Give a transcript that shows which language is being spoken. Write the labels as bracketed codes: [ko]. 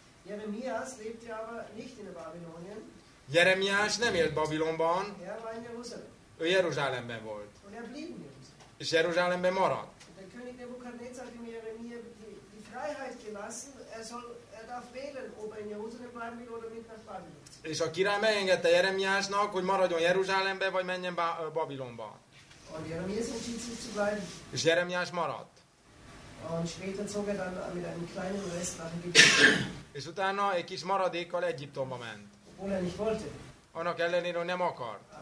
[de] Jeremias lebte aber nicht in Babylonien. [hu] Jeremias nem élt Babilonban. [de] Er war in Jerusalem. [hu] Ő Jeruzsálemben volt. [de] Und er blieb in Jerusalem. [hu] És Jeruzsálemben maradt. [de] Der König Nebukadnezar hat ihm Jeremia die Freiheit gelassen. Er darf wählen, ob er in Jerusalem bleiben will oder mit nach Babylon. [hu] És a király megengedte Jeremiásnak, hogy maradjon Jeruzsálemben, vagy menjen Babilonba. [de] Und Jeremias entschied sich zu bleiben. [hu] És Jeremias maradt. [de] Und später zog er dann mit einem kleinen Rest nach Ägypten. [hu] És utána egy kis maradékkal Egyiptomba ment. Annak ellenére, hogy nem akart.